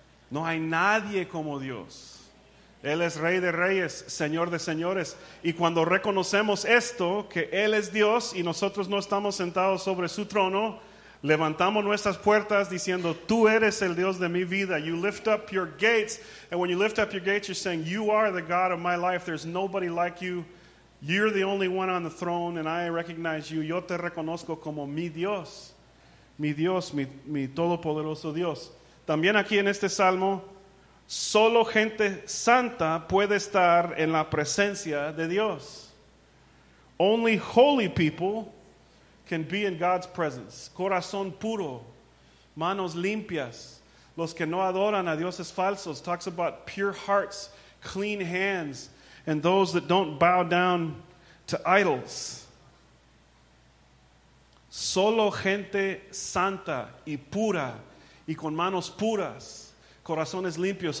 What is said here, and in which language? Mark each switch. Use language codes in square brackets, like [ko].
[es] No hay nadie como Dios. Él es Rey de Reyes, Señor de Señores. Y cuando reconocemos esto, que Él es Dios y nosotros no estamos sentados sobre su trono, levantamos nuestras puertas diciendo, Tú eres el Dios de mi vida. [en] You lift up your gates. And when you lift up your gates, you're saying, You are the God of my life. There's nobody like You. You're the only one on the throne, and I recognize You. [es] Yo te reconozco como mi Dios. Mi Dios, mi todopoderoso Dios. También aquí en este salmo, solo gente santa puede estar en la presencia de Dios. [en] Only holy people can be in God's presence. [es] Corazón puro, manos limpias. Los que no adoran a Dios es falsos. [en] Talks about pure hearts, clean hands, and those that don't bow down to idols. [es] Solo gente santa y pura y con manos puras, corazones limpios.